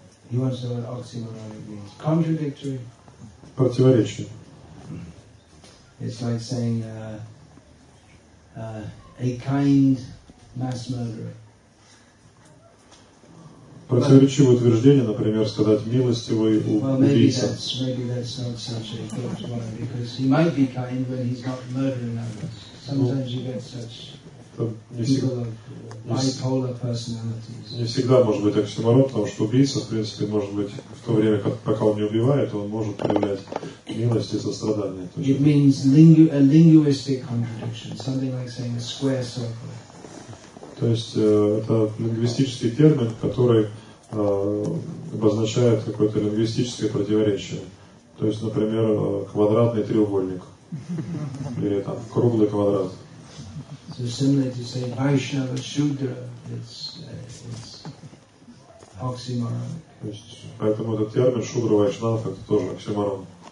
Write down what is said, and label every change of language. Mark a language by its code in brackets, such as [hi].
[en] He wants to know what oxymoronic means. Contradictory. [ru] Противоречие. [en] It's like saying a kind mass murderer. [ru] Противоречивое утверждение, например, сказать милостивый убийца. [en] Maybe that's not such a good one, because he might be kind when he's not murdering others. Sometimes you get such people of bipolar personalities. [ru] Не всегда может быть оксюморон, потому что убийца, в принципе, может быть в то время, пока он не убивает, он может проявлять милость и сострадание. [en] It means a linguistic contradiction, something like saying a square circle. [ru] То есть это лингвистический термин, который обозначает какое-то лингвистическое противоречие. То есть, например, квадратный треугольник или там круглый квадрат. [en] So similar to say Vaishnava Shudra, it's oxymoronic. [ru] То есть, поэтому этот термин Шудра Вайшнав это тоже оксиморон.